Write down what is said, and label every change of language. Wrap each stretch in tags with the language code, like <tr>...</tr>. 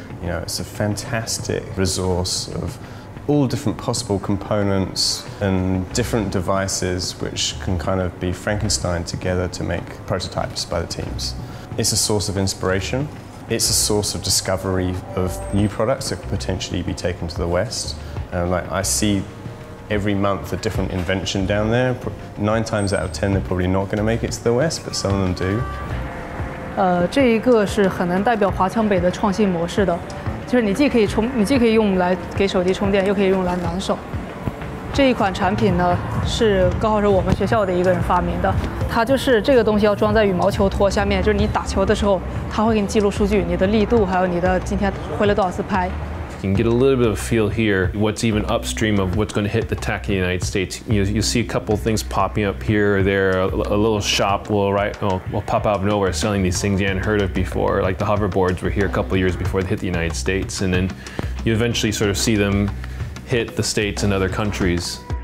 <en>You know, it's a fantastic resource of all different possible components and different devices which can kind of be Frankenstein together to make prototypes by the teams. It's a source of inspiration. It's a source of discovery of new products that could potentially be taken to the West. And like, I see every month a different invention down there. 9 times out of 10, they're probably not going to make it to the West, but some of them do.</en> <zh>这一个是很难代表华强北的创新模式的。就是你既可以用来给手机充电，又可以用来暖手。这一款产品呢，是高浩是我们学校的一个人发明的。它就是这个东西要装在羽毛球托下面，就是你打球的时候，它会给你记录数据，你的力度，还有你的今天挥了多少次拍。</zh> <en>You can get a little bit of feel here, what's even upstream of what's going to hit the tech in the United States. You see a couple of things popping up here or there. A little shop will pop out of nowhere selling these things you hadn't heard of before. Like the hoverboards were here a couple of years before they hit the United States. And then you eventually sort of see them hit the States and other countries.</en>